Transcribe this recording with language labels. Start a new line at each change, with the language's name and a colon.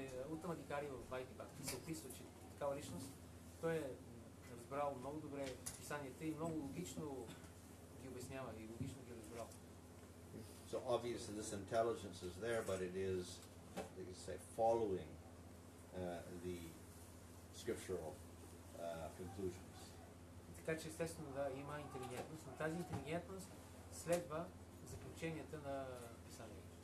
Bulgarian: Утъм Адикари в Вайди Бхакти се описва, че такава личност, той е разбрал много добре писанията и много логично ги обяснява и логично ги разбрал.
English: So obviously this intelligence is there, but it is, they can say, following the scriptural conclusions.
Bulgarian: Така че естествено да има интелигентност, но тази интелигентност следва заключенията на писанието.